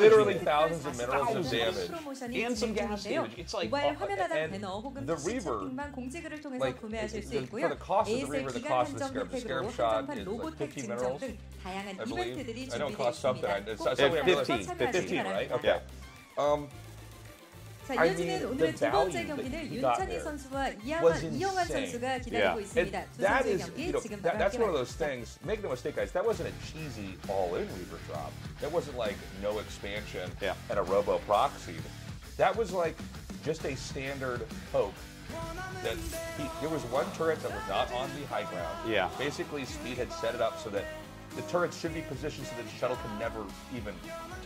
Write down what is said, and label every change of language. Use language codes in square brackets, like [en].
[en] Literally thousands of minerals of damage. And some gas damage. It's like, and the Reaver, like, for the cost of the Reaver, the cost of the Scarab. The Scarab shot is like 50 minerals, I believe. I know it costs something. It's 15, right? Okay. [ko] 자, 이어지는 오늘의 두 번째 경기는 윤찬희 선수와 이영환 선수가 기다리고 있습니다. 두 선수의 경기 지금 바로 함께 [en] That's one of those things. Make no mistake, guys. That wasn't a cheesy all-in Reaver drop. That wasn't like no expansion and a robo proxy. That was like just a standard poke. That he, there was one turret that was not on the high ground. Yeah. Basically, Speed had set it up so that the turrets should be positioned so that the shuttle can never even touch.